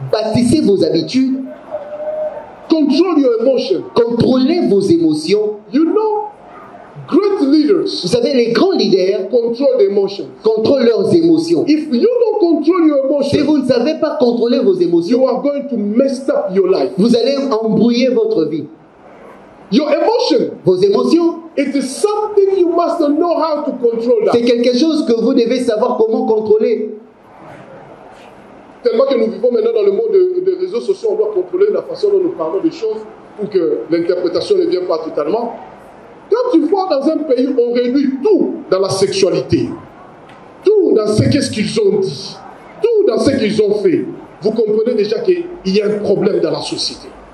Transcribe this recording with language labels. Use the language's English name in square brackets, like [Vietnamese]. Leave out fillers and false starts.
[French] Bâtissez vos habitudes. [English] Control your emotions. [French] Contrôlez vos émotions. [English] You know? Great leaders, [French] vous savez, les grands leaders [English] control the emotions. [French] Contrôlent leurs émotions. [English] If you don't control your emotions, [French] si vous ne savez pas contrôler vos émotions, [English] you are going to mess up your life. [French] Vous allez embrouiller votre vie. [English] Your emotion, [French] vos émotions, [English] it is something you must know how to control that. [French] C'est quelque chose que vous devez savoir comment contrôler. Tellement que nous vivons maintenant dans le monde des réseaux sociaux, on doit contrôler la façon dont nous parlons des choses pour que l'interprétation ne vienne pas totalement. Quand tu vois dans un pays, on réduit tout dans la sexualité, tout dans ce qu'ils ont dit, tout dans ce qu'ils ont fait, vous comprenez déjà qu'il y a un problème dans la société.